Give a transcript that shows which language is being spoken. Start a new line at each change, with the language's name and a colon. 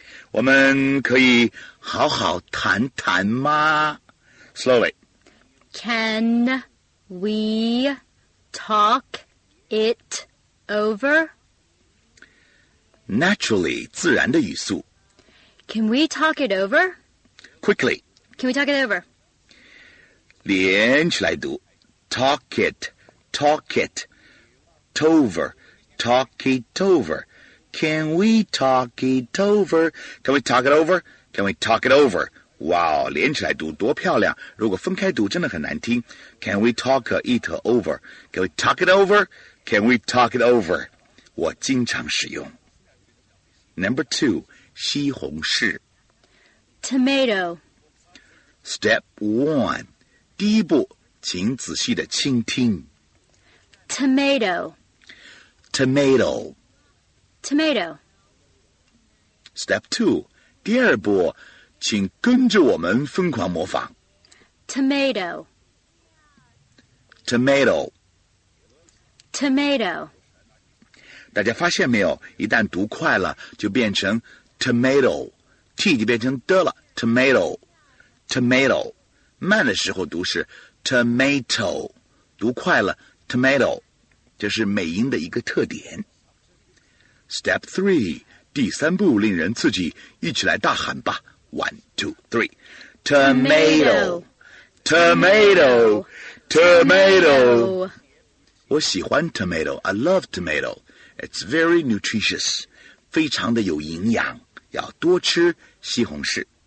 Chinese: 我们可以好好谈谈吗？
English: Slowly. Can we talk it over? Naturally,
Chinese: 自然的语速。
English: Can we talk it over? Quickly. Can we talk it over?
Chinese: 连起来读
English: talk it, talk it, tover, talk it over. Can we talk it over? Can we talk it over? Can we talk it over?
Chinese: Wow, 连起来读多漂亮！如果分开读真的很难听。
English: Can we talk it over? Can we talk it over? Can we talk it over?
Chinese: 我经常使用。
English: Number two,
Chinese: 西红柿
English: tomato. Step one.
Chinese: 第一步，请仔细的倾听。
English: Tomato. Tomato. Tomato. Step two.
Chinese: 第二步，请跟着我们疯狂模仿。
English: Tomato. Tomato. Tomato.
Chinese: 大家发现没有？一旦读快了，就变成 tomato， T 就变成的了。
English: Tomato. Tomato.
Chinese: 慢的时候读是 tomato， 读快了 tomato， 这是美音的一个特点。
English: Step three，
Chinese: 第三步令人刺激，一起来大喊吧 ！
English: One, two, three， tomato， tomato， tomato。
Chinese: 我喜欢 tomato，
English: I love tomato， it's very nutritious，
Chinese: 非常的有营养，要多吃西红柿。